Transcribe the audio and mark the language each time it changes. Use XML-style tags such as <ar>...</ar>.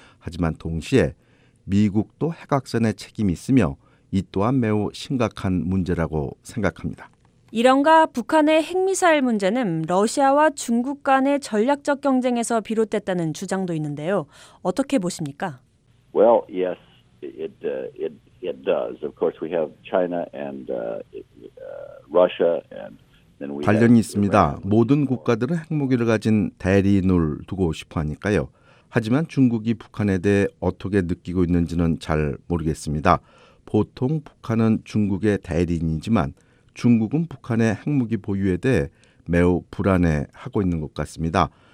<ko>하지만 동시에 미국도 핵 확산에 책임이 있으며 이 또한 매우 심각한 문제라고 생각합니다. 이런가 북한의 핵미사일 문제는 러시아와 중국 간의 전략적 경쟁에서 비롯됐다는 주장도 있는데요. 어떻게 보십니까?</ko> <en>Well, yes, it does. Of course, we have China and Russia, and then we.</en> <ko>관련이 있습니다. 모든 국가들은 핵무기를 가진 대리인을 두고 싶어하니까요. 하지만 중국이 북한에 대해 어떻게 느끼고 있는지는 잘 모르겠습니다. 보통 북한은 중국의 대리인이지만 중국은 북한의 핵무기 보유에 대해 매우 불안해하고 있는 것 같습니다.</ko>